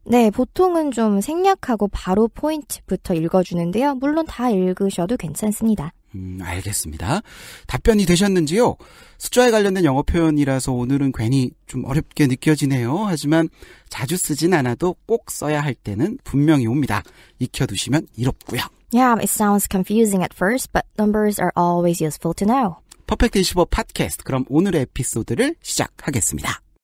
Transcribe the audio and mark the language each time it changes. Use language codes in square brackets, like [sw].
[ko] 네, 보통은 좀 생략하고 바로 포인트부터 읽어주는데요. 물론 다 읽으셔도 괜찮습니다. 알겠습니다. 답변이 되셨는지요? 숫자에 관련된 영어 표현이라서 오늘은 괜히 좀 어렵게 느껴지네요. 하지만 자주 쓰진 않아도 꼭 써야 할 때는 분명히 옵니다. 익혀두시면 이롭고요. [en] Yeah, it sounds confusing at first, but numbers are always useful to know. [ko] 퍼펙트 25 팟캐스트, 그럼 오늘의 에피소드를 시작하겠습니다.